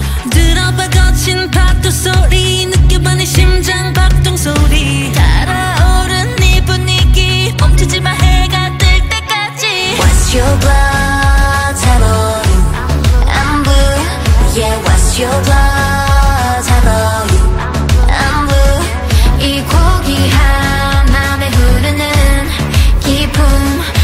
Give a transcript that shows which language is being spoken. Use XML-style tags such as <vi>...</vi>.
<ko>들어봐 거친 파도 소리, 느껴봐 내 심장 박동 소리. 달아오른 네 분위기, 멈추지 마 해가 뜰 때까지.</ko> <en>What's your blood type of you? I'm blue. Yeah, what's your blood type of you? I'm blue.</en> <ko>이 고귀한 마음에 흐르는 기쁨.</ko>